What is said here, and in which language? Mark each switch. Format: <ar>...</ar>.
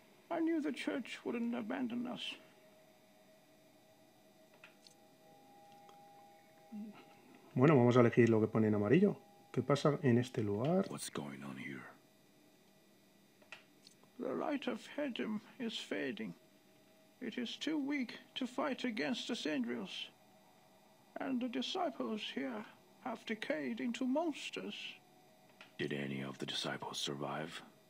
<en>I knew the church wouldn't abandon us.</en> <es>Bueno, vamos a elegir lo que pone en amarillo. ¿Qué pasa en este lugar?</es> <en>What's going on here? The light of Hedim is fading. It is too weak to fight against the Sindrils. And the disciples here have decayed into monsters. Did any of the disciples survive?</en>